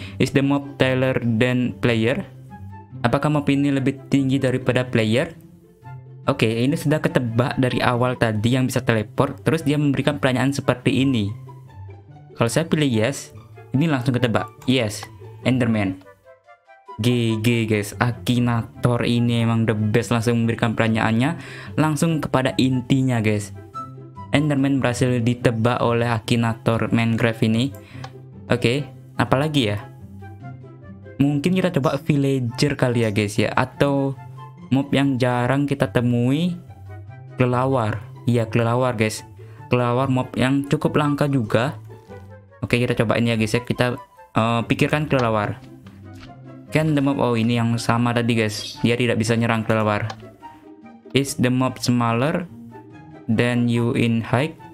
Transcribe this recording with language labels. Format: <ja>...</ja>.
<en>Is the mob taller than player?</en> <id>Apakah mob ini lebih tinggi daripada player? Oke, ini sudah ketebak dari awal tadi yang bisa teleport, terus dia memberikan pertanyaan seperti ini. Kalau saya pilih yes, ini langsung ketebak. Yes, Enderman. GG, guys. Akinator ini emang</id> <en>the best,</en> <id>langsung memberikan pertanyaannya langsung kepada intinya, guys. Enderman berhasil ditebak oleh Akinator Minecraft ini. Oke, apalagi ya? Mungkin kita coba villager kali ya, guys ya, atau mob yang jarang kita temui, kelelawar. Iya, kelelawar, guys. Kelelawar mob yang cukup langka juga. Oke, kita coba ini ya, guys ya. Kita pikirkan kelelawar.</id> <en>Can the mob,</en> <id>oh ini yang sama tadi, guys. Dia tidak bisa nyerang kelelawar.</id> <en>Is the mob smaller than you in height?</en>